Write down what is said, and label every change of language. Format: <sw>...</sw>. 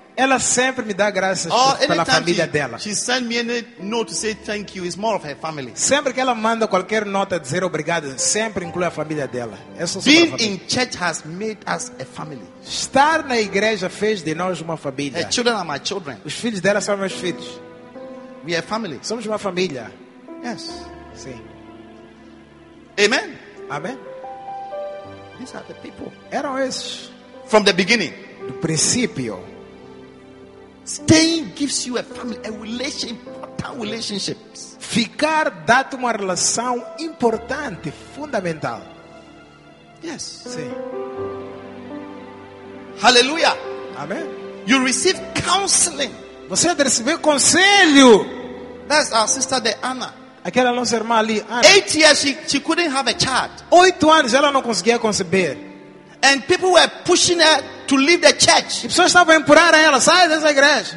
<pt>Ela sempre me dá graças pela família dela.</pt> <en>She sends me a note to say thank you. It's more of her family.</en> <pt>Sempre que ela manda qualquer nota dizer obrigado, sempre inclui a família dela.</pt> <en>Being in church has made us a family.</en> <pt>Estar na igreja fez de nós uma família.</pt> <en>Her children are my children.</en> <pt>Os filhos dela são meus filhos.</pt> <en>We are family.</en> <pt>Somos uma família.</pt> <en>Yes.</en> <pt>Sim.</pt> <en>Amen.</en> <pt>Amém.</pt> <en>These are the people.</en> <pt>Eram esses.</pt> <en>From the beginning.</en> <pt>Do princípio.</pt> <en>Staying gives you a family, a relationship, important relationships.</en> <pt>Ficar dá-te uma relação importante, fundamental.</pt> <en>Yes.</en> <pt>Sim.</pt> <en>Hallelujah.</en> <pt>Amém.</pt> <en>You receive counseling.</en> <pt>Você recebeu conselho.</pt> <en>That's our sister, the Anna.</en> <pt>Aquela nossa irmã ali, Anna.</pt> <en>8 years she couldn't have a child.</en> <pt>8 anos ela não conseguia conceber.</pt> <en>And people were pushing her to leave the church.</en> <pt>E pessoas estavam empurrando ela, sai dessa igreja.</pt>